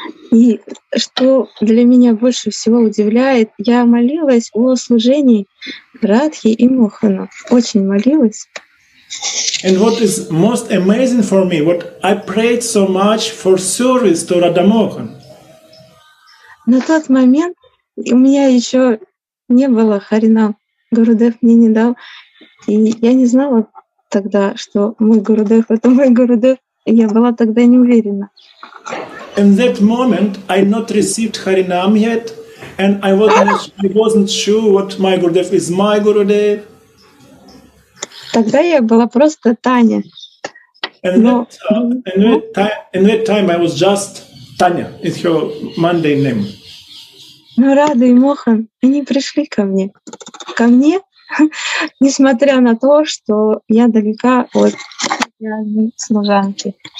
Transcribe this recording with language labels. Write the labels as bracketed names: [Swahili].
[Russian] И что для меня больше всего удивляет, я молилась о служении Радхи и Мохану. Очень молилась. [English] And what is most amazing for me, what I prayed so much for service to Radha Mohan. [Russian] На тот момент у меня еще не было харинам. Гурудев мне не дал. И я не знала тогда, что мой Гурудев — это мой Гурудев. И я была тогда не уверена. [English] In that moment I not received харинам yet, and I wasn't sure what my Gurudev is my Gurudev. [Russian] Тогда я была просто Таня. [English] In that time I was just Таня, it's her Monday name. [Russian] Но Рада и Мохан, они пришли ко мне. Ко мне, несмотря на то, что я далека от служанки.